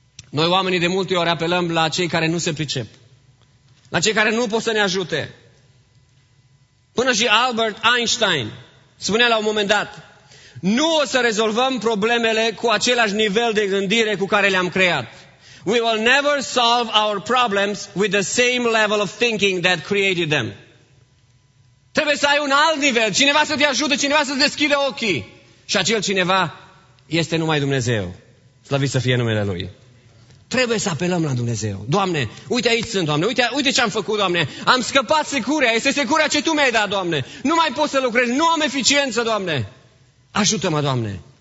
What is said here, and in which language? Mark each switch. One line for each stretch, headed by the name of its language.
Romanian: Noi oamenii de multe ori apelăm la cei care nu se pricep. La cei care nu pot să ne ajute. Până și Albert Einstein spunea la un moment dat, nu o să rezolvăm problemele cu același nivel de gândire cu care le-am creat.
English: We will never solve our problems with the same level of thinking that created them.
Romanian: Trebuie să ai un alt nivel, cineva să te ajute, cineva să-ți deschide ochii. Și acel cineva este numai Dumnezeu. Slăvit să fie numele Lui. Trebuie să apelăm la Dumnezeu. Doamne, uite aici sunt, Doamne, uite ce am făcut, Doamne. Am scăpat securea, este securea ce Tu mi-ai dat, Doamne. Nu mai pot să lucrez, nu am eficiență, Doamne. Ajută-mă, Doamne.